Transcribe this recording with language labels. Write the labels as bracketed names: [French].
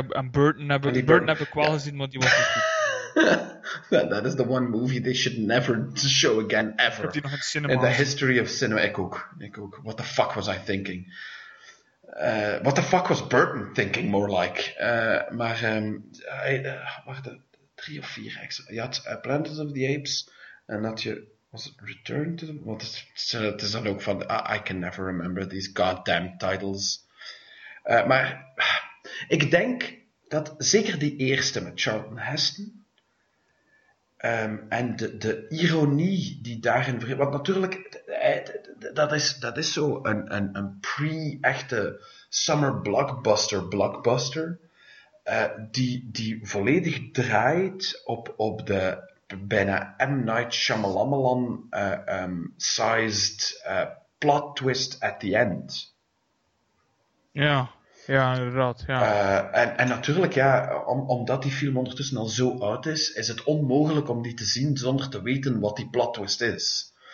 [Dutch] Burton heb ik wel gezien, maar die was niet goed. [English] That is the one movie they should never show again, ever. In the history of cinema. [Dutch] Ik ook. [English] What the fuck was I thinking? What the fuck was Burton thinking, more like? [Dutch] Waren er drie of vier extra? Je had Planet of the Apes. En had je... Was het [English] Return to the... Well, [Dutch] het is dan ook van... [English] I can never remember these goddamn titles. [Dutch] Maar ik denk dat zeker die eerste met Charlton Heston... en de ironie die daarin... Want natuurlijk, dat is zo een pre-echte summer blockbuster die volledig draait op de bijna M. [English] Night Shyamalan-sized plot twist at the end. [Dutch] Ja, inderdaad. Ja. En natuurlijk, ja, omdat die film ondertussen al zo oud is, is het onmogelijk om die te zien zonder te weten wat die plot twist is.